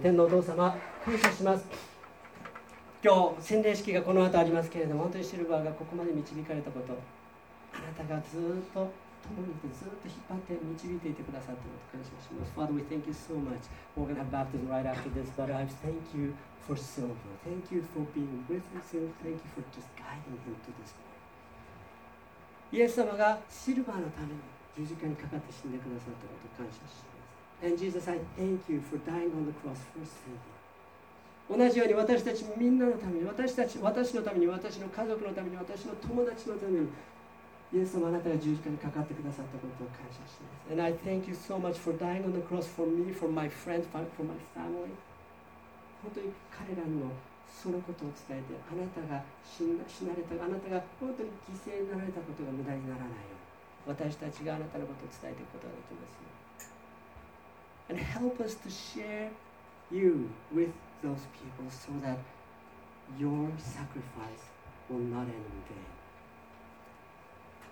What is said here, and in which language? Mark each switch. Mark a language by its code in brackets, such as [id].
[ja] 天のお父様、感謝します。今日洗礼式がこの後ありますけれども、本当にシルバーがここまで導かれたこと、あなたがずっと共にいて、ずっと引っ張って導いていてくださったこと感謝します。 [en] Father, we thank you so much. We're going to have baptism right after this, but I thank you for Silver. Thank you for being with himself. Thank you for just guiding him to this world. [ja] イエス様がシルバーのために十字架にかかって死んでくださったこと感謝します。 [en] And Jesus, I thank you for dying on the cross for Savior. [ja] 同じように私たちみんなのために、私のために、私の家族のために、私の友達のために、イエス様、あなたが十字架にかかってくださったことを感謝します。 [en] And I thank you so much for dying on the cross for me, for my friends, for my family. [ja] 本当に彼らにもそのことを伝えて、あなたが死なれた、あなたが本当に犠牲になられたことが無駄にならないように、私たちがあなたのことを伝えていくことができますように。 [en] And help us to share you with those people so that your sacrifice will not end in vain.